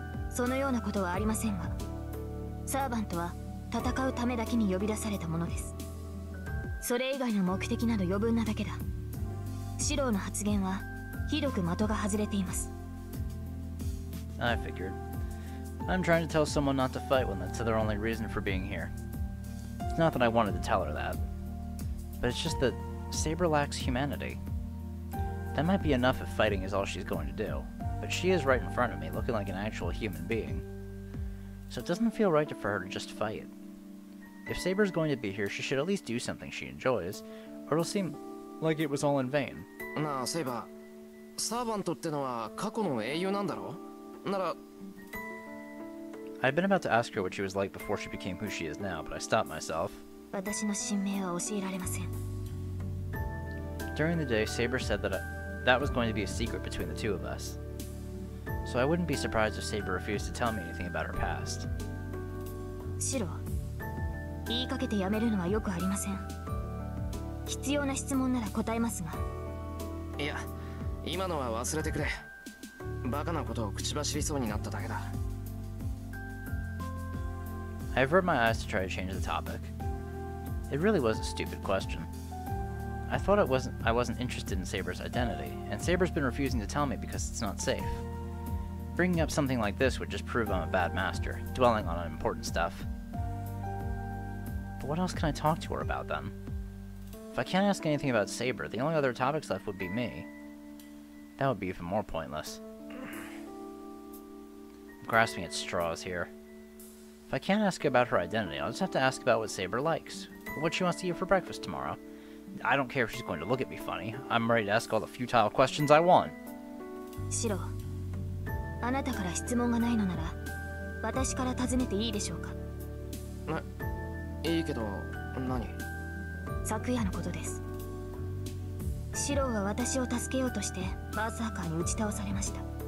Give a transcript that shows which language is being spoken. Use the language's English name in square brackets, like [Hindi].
[Japanese] そのようなことはありませんが、サーヴァントは戦うためだけに呼び出されたものです。それ以外の目的など余分なだけだ。シローの発言はひどく的が外れています。 [English] I figured. I'm trying to tell someone not to fight when that's their only reason for being here. It's not that I wanted to tell her that, but it's just that Saber lacks humanityThat might be enough if fighting is all she's going to do, but she is right in front of me, looking like an actual human being. So it doesn't feel right for her to just fight. If Saber's going to be here, she should at least do something she enjoys, or it'll seem like it was all in vain. [Japanese] なあ、セイバー、サーヴァントってのは過去の英雄なんだろう？なら。 [English] I had been about to ask her what she was like before she became who she is now, but I stopped myself. [Japanese] 私の身命は教えられません。 [English] During the day, Saber said that was going to be a secret between the two of us. So I wouldn't be surprised if Saber refused to tell me anything about her past. [Japanese] Shirou, 言いかけてやめるのはよくありません。必要な質問なら答えますが。いや、今のは忘れてくれ。バカなことを口走りそうになっただけだ。 [English] I averted my eyes to try to change the topic. It really was a stupid question. I thought I wasn't interested in Saber's identity, and Saber's been refusing to tell me because it's not safe. Bringing up something like this would just prove I'm a bad master, dwelling on unimportant stuff. But what else can I talk to her about then? If I can't ask anything about Saber, the only other topics left would be me. That would be even more pointless. I'm grasping at straws here. If I can't ask about her identity, I'll just have to ask about what Saber likes, what she wants to eat for breakfast tomorrow. I don't care if she's going to look at me funny. I'm ready to ask all the futile questions I want. [Japanese] Shirou, あなたから質問がないのなら、私から尋ねていいでしょうか。いいけど、何？昨夜のことです。Shirou は私を助けようとしてバーサーカーに打ち倒されました。